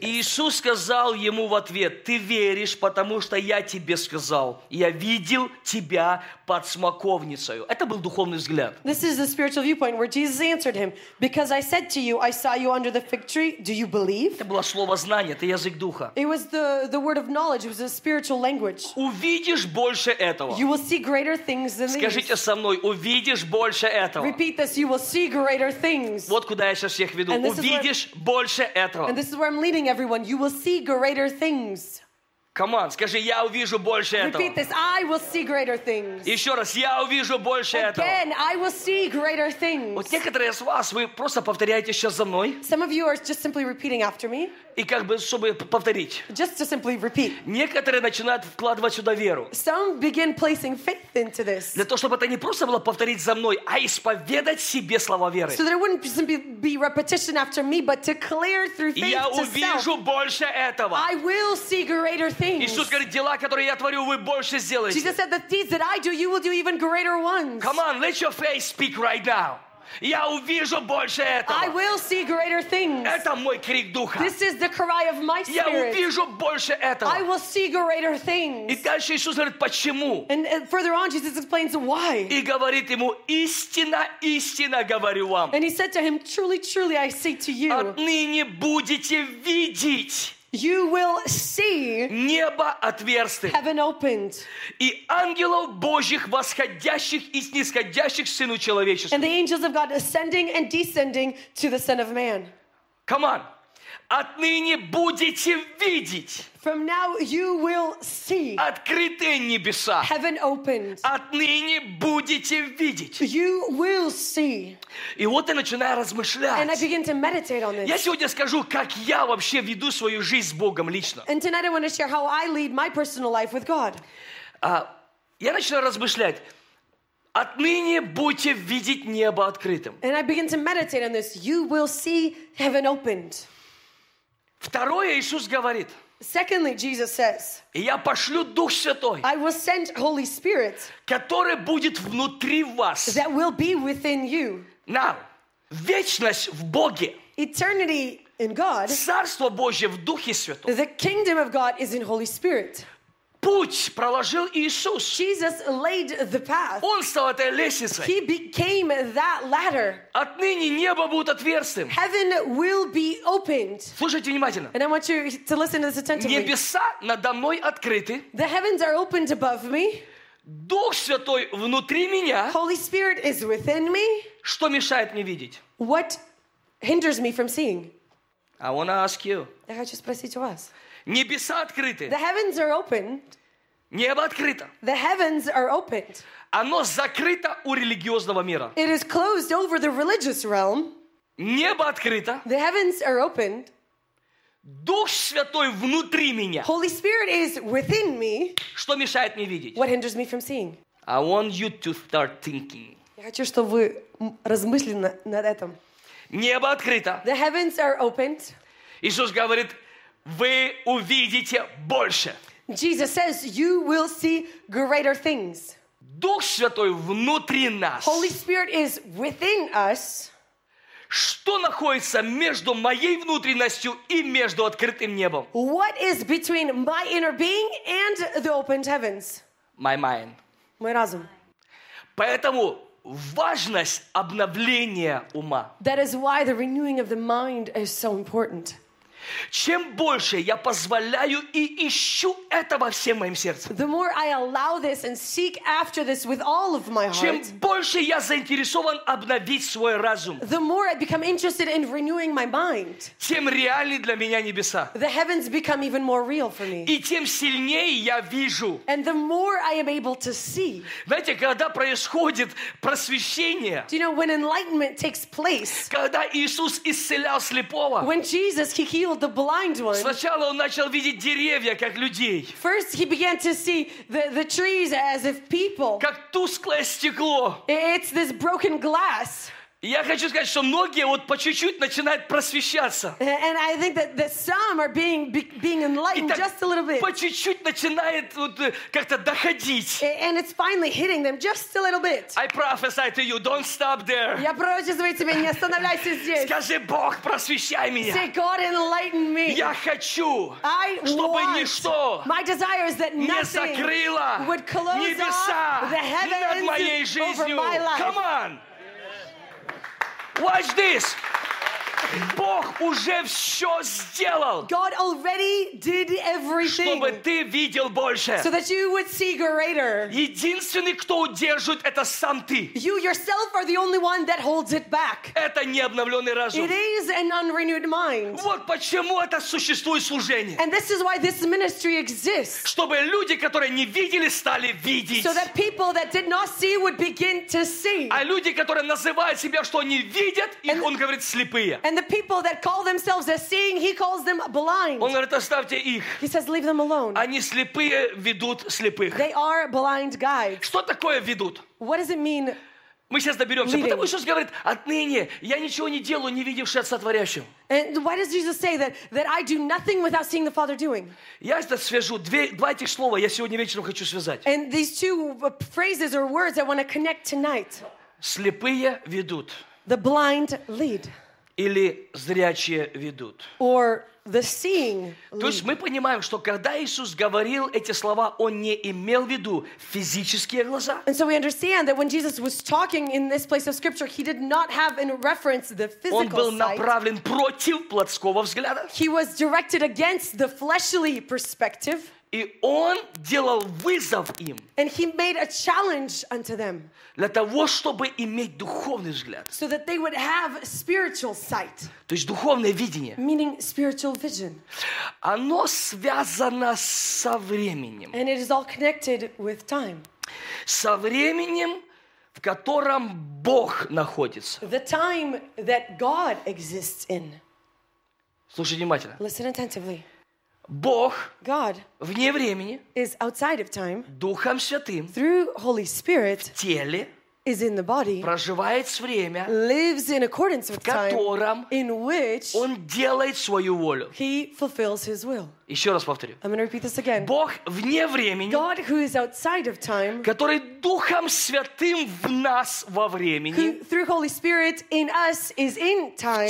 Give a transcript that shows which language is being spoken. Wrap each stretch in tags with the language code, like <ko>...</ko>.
<ru>Иисус сказал ему в ответ: «Ты веришь, потому что я тебе сказал, я видел тебя под смоковницей». Это был духовный взгляд.</ru> <en>This is the spiritual viewpoint where Jesus answered him, because I said to you, I saw you under the fig tree. Do you believe?</en> <ru>Это было слово знания, это язык духа.</ru> <en>It was the word of knowledge. It was a spiritual language.</en> <ru>Увидишь больше этого.</ru> <en>You will see greater things than these.</en> <ru>Скажите со мной: увидишь больше этого.</ru> <en>Repeat this. You will see greater.</en> <ru>Вот куда я сейчас всех веду. Увидишь больше этого.</ru> <en>And this is where I'm leading everyone. You will see greater things. Come on,</en> <ru>скажи, я увижу больше этого.</ru> <en>Repeat this. I will see greater things.</en> <ru>Еще раз, я увижу больше этого.</ru> <en>Again, I will see greater things.</en> <ru>Вот некоторые из вас, вы просто повторяете сейчас за мной.</ru> <en>Some of you are just simply repeating after me.</en> <ru>И как бы, чтобы повторить.</ru> <en>Just to simply repeat.</en> <ru>Некоторые начинают вкладывать сюда веру.</ru> <en>Some begin placing faith into this.</en> <ru>Для того, чтобы это не просто было повторить за мной, а исповедать себе слова веры.</ru> <en>So that it wouldn't simply be repetition after me, but to clear through faith to self.</en> <ru>Я увижу больше этого.</ru> <en>I will see greater things. things.</en> <ru>Иисус говорит, дела, которые я творю, вы больше сделаете.</ru> <en>Jesus said, the deeds that I do, you will do even greater ones. Come on, let your faith speak right now.</en> <ru>Я увижу больше этого.</ru> <en>I will see greater things.</en> <ru>Это мой крик духа.</ru> <en>This is the cry of my spirit.</en> <ru>Я увижу больше этого.</ru> <en>I will see greater things.</en> <ru>И дальше Иисус говорит, почему?</ru> <en>And further on, Jesus explains why.</en> <ru>И говорит ему, истина, истина говорю вам.</ru> <en>And he said to him, truly, truly, I say to you.</en> <ru>Отныне будете видеть.</ru> <en>You will see</en> <ru>небо отверстых,</ru> <en>heaven opened,</en> <ru>и ангелов Божьих восходящих и снисходящих к Сыну человеческому,</ru> <en>and the angels of God ascending and descending to the Son of Man. Come on,</en> <ru>отныне будете видеть.</ru> <en>From now you will see.</en> <ru>Открыты небеса.</ru> <en>Heaven opened.</en> <ru>Отныне будете видеть.</ru> <en>You will see.</en> <ru>И вот я начинаю размышлять.</ru> <en>And I begin to meditate on this.</en> <ru>Я сегодня скажу, как я вообще веду свою жизнь с Богом лично.</ru> <en>And tonight I want to share how I lead my personal life with God.</en> <ru>Я начинаю размышлять. Отныне будете видеть небо открытым.</ru> <en>And I begin to meditate on this. You will see heaven opened.</en> <ru>Второе Иисус говорит.</ru> <en>Secondly, Jesus says,</en> <ru>я пошлю Дух Святой,</ru> <en>I will send Holy Spirit,</en> <ru>который будет внутри вас,</ru> <en>that will be within you.</en> <ru>Now, вечность в Боге,</ru> <en>eternity in God,</en> <ru>царство Божье в Духе Святом,</ru> <en>the kingdom of God is in Holy Spirit.</en> <ru>Путь проложил Иисус.</ru> <en>Jesus laid the path.</en> <ru>Он стал этой лестницей.</ru> <en>He became that ladder.</en> <ru>Отныне небо будет отверстым.</ru> <en>Heaven will be opened.</en> <ru>Слушайте внимательно.</ru> <en>And I want you to listen to this attentively.</en> <ru>Небеса надо мной открыты.</ru> <en>The heavens are opened above me.</en> <ru>Дух Святой внутри меня.</ru> <en>Holy Spirit is within me.</en> <ru>Что мешает мне видеть?</ru> <en>What hinders me from seeing? I want to ask you.</en> <ru>Я хочу спросить у вас. Небеса открыты.</ru> <en>The heavens are opened.</en> <ru>Небо открыто.</ru> <en>The heavens are opened.</en> <ru>Оно закрыто у религиозного мира.</ru> <en>It is closed over the religious realm.</en> <ru>Небо открыто.</ru> <en>The heavens are opened.</en> <ru>Дух Святой внутри меня.</ru> <en>Holy Spirit is within me.</en> <ru>Что мешает мне видеть?</ru> <en>What hinders me from seeing? I want you to start thinking.</en> <ru>Я хочу, чтобы вы размышляли над этим. Небо открыто.</ru> <en>The heavens are opened.</en> <ru>Иисус говорит, вы увидите больше.</ru> <en>Jesus says, you will see greater things.</en> <ru>Дух Святой внутри нас.</ru> <en>Holy Spirit is within us.</en> <ru>Что находится между моей внутренностью и между открытым небом?</ru> <en>What is between my inner being and the opened heavens? My mind.</en> <ru>Мой разум. Поэтому важность обновления ума.</ru> <en>That is why the renewing of the mind is so important.</en> <ru>Чем больше я позволяю и ищу этого всем моим сердцем,</ru> <en>the more I allow this and seek after this with all of my heart,</en> <ru>чем больше я заинтересован обновить свой разум,</ru> <en>the more I become interested in renewing my mind,</en> <ru>тем реальней для меня небеса,</ru> <en>the heavens become even more real for me,</en> <ru>и тем сильнее я вижу,</ru> <en>and the more I am able to see.</en> <ru>Знаете, когда происходит просвещение,</ru> <en>do you know when enlightenment takes place,</en> <ru>когда Иисус исцелял слепого,</ru> <en>when Jesus healed the blind one.</en> <ru>Сначала он начал видеть деревья как людей.</ru> <en>First he began to see the trees as if people.</en> <ru>Как тусклое стекло.</ru> <en>It's this broken glass.</en> <ru>Я хочу сказать, что многие вот по чуть-чуть начинают просвещаться.</ru> <en>And I think that some are being enlightened</en> <ru>так,</ru> <en>just a little bit.</en> <ru>По чуть-чуть начинает вот как-то доходить.</ru> <en>And it's finally hitting them just a little bit. I prophesy to you, don't stop there.</en> <ru>Я пророчествую тебе, не останавливайся здесь. Скажи, Бог, просвещай меня.</ru> <en>Say, God, enlighten me.</en> <ru>Я хочу,</ru> <en>I</en> <ru>чтобы</ru> <en>want.</en> <ru>Ничто</ru> <en>my desire is that</en> <ru>не закрыло</ru> <en>would close</en> <ru>небеса</ru> <en>the heavens</en> <ru>над моей жизнью.</ru> <en>Over my life. Come on! Watch this.</en> <ru>Бог уже все сделал.</ru> <en>God already did everything.</en> <ru>Чтобы ты видел больше.</ru> <en>So that you would see greater.</en> <ru>Единственный, кто удерживает, это сам ты.</ru> <en>You yourself are the only one that holds it back.</en> <ru>Это необновленный разум.</ru> <en>It is an unrenewed mind.</en> <ru>Вот почему это существует служение.</ru> <en>And this is why this ministry exists.</en> <ru>Чтобы люди, которые не видели, стали видеть.</ru> <en>So that people that did not see would begin to see.</en> <ru>А люди, которые называют себя, что они видят, их он говорит слепые.</ru> <en>And the people that call themselves as seeing, he calls them blind.</en> <ru>Он говорит, оставьте их.</ru> <en>He says, leave them alone.</en> <ru>Они слепые ведут слепых.</ru> <en>They are blind guides.</en> <ru>Что такое ведут?</ru> <en>What does it mean?</en> <ru>Мы сейчас доберемся. Leading. Потому что Иисус говорит, отныне я ничего не делаю, не видевши Отца Творящего.</ru> <en>And why does Jesus say that, that I do nothing without seeing the Father doing?</en> <ru>Я это свяжу. Два этих слова я сегодня вечером хочу связать.</ru> <en>And these two phrases or words I want to connect tonight.</en> <ru>Слепые ведут.</ru> <en>The blind lead.</en> <ru>Или зрячие ведут.</ru> <en>Or the seeing</en> <ru>То есть мы понимаем, что когда Иисус говорил эти слова, Он не имел в виду физические глаза.</ru> <en>And so we understand that when Jesus was talking in this place of Scripture, He did not have in reference the physical sight.</en> <ru>Он был направлен против плотского взгляда.</ru> <en>He was directed against the fleshly perspective.</en> <ru>И Он делал вызов им.</ru> <en>And He made a challenge unto them.</en> <ru>Для того, чтобы иметь духовный взгляд.</ru> <en>So that they would have spiritual sight.</en> <ru>То есть духовное видение.</ru> <en>Meaning spiritual vision.</en> <ru>Оно связано со временем.</ru> <en>And it is all connected with time.</en> <ru>Со временем, в котором Бог находится.</ru> <en>The time that God exists in.</en> <ru>Слушай внимательно.</ru> <en>Listen attentively.</en> <ru>Бог</ru> <en>God</en> <ru>вне времени</ru> <en>is outside of time,</en> <ru>Духом Святым</ru> <en>through Holy Spirit,</en> <ru>в теле</ru> <en>is in the body,</en> <ru>проживает с время</ru> <en>lives in accordance with</en> <ru>в котором</ru> <en>time, in which</en> <ru>Он делает свою волю.</ru> <en>He fulfills his will.</en> <ru>Еще раз повторю.</ru> <en>I'm gonna repeat this again.</en> <ru>Бог вне времени,</ru> <en>God, who is outside of time,</en> <ru>который Духом Святым в нас во времени,</ru> <en>who, through Holy Spirit in us is in time,</en>